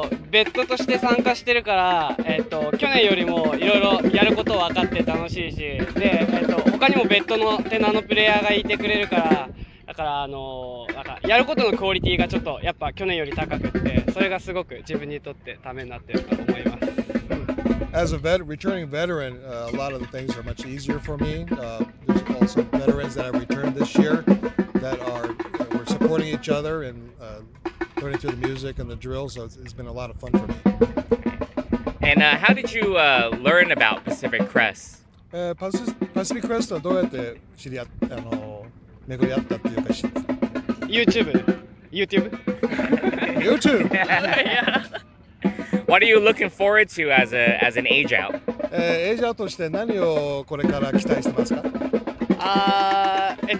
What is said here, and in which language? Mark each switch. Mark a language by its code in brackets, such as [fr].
[ja] 別途として参加してるから、去年よりもいろいろやること分かって楽しいし、で、他にも別途のテナーのプレイヤーがいてくれるから、だから、なんかやることのクオリティがちょっとやっぱ去年より高くって、それがすごく自分にとってためになってると思います。 [en] As a returning veteran, a lot of the things are much easier for me. There's also veterans that I returned this year that are we're supporting each other and learning through the music and the drill, so it's been a lot of fun for me. And how did you learn about Pacific Crest? [ja] Pacific Crest はどうやって知り合った、巡り合ったっていうか知った [en] ?YouTube? YouTube? YouTube! What are you looking forward to as, as an age out? [ja] Age out として何をこれから期待してますか?